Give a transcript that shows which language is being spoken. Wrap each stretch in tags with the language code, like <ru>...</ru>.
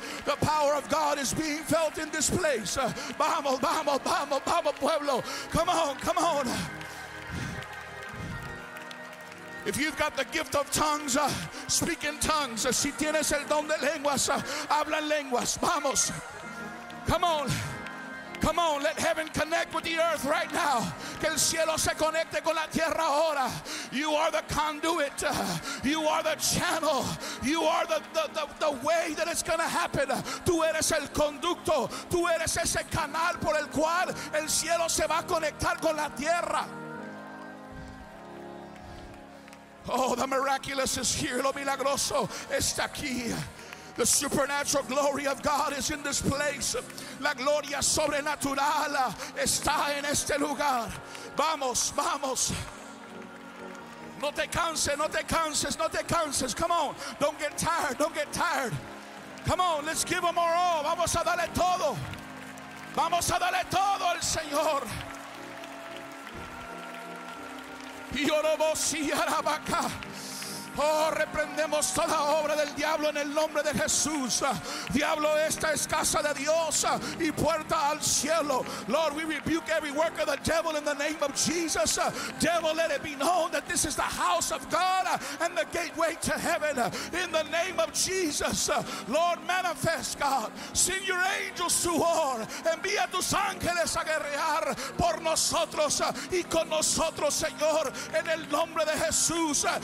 <en>The power of God is being felt in this place.</en> <es>Vamos, vamos, vamos, vamos, pueblo.</es> <en>Come on, come on. If you've got the gift of tongues, speak in tongues.</en> <es>Si tienes el don de lenguas, habla en lenguas.</es> <en>Vamos. Come on. Come on, let heaven connect with the earth right now.</en> <es>Que el cielo se conecte con la tierra ahora.</es> <en>You are the conduit. You are the channel. You are the way that it's going to happen.</en> <es>Tú eres el conducto. Tú eres ese canal por el cual el cielo se va a conectar con la tierra.</es> <en>Oh, the miraculous is here.</en> <es>Lo milagroso está aquí.</es> <en>The supernatural glory of God is in this place.</en> <es>La gloria sobrenatural está en este lugar. Vamos, vamos. No te canses, no te canses, no te canses.</es> <en>Come on, don't get tired, don't get tired. Come on, let's give them our all.</en> <es>Vamos a darle todo. Vamos a darle todo al Señor. Y oramos y arabaca. Oh, reprendemos toda obra del diablo en el nombre de Jesús. Diablo, esta es casa de Dios y puerta al cielo.</es> <en>Lord, we rebuke every work of the devil in the name of Jesus. Devil, let it be known that this is the house of God and the gateway to heaven in the name of Jesus. Lord, manifest, God. Send your angels to war.</en> <es>Envía tus ángeles a guerrear por nosotros y con nosotros, Señor, en el nombre de Jesús.</es>